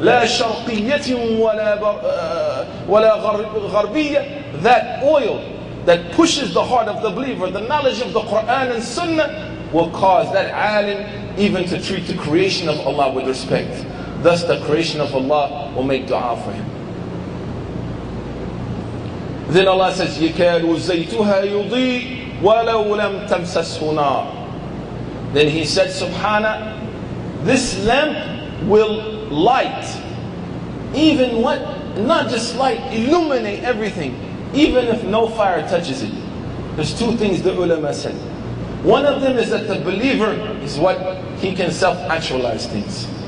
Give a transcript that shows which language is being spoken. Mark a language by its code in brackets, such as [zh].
[ar] لا شرقية ولا ولا غربية. [en] That oil that pushes the heart of the believer, the knowledge of the Quran and Sunnah, will cause that alim even to treat the creation of Allah with respect. Thus, the creation of Allah will make du'a for him. Then Allah says, [ar] يكاد زيتها يضيء ولو لم تمسسه نار. [en] Then He said, Subhana, this lamp will light, even what, not just light, illuminate everything, even if no fire touches it. There's two things the ulama said. One of them is that the believer is what, he can self-actualize things.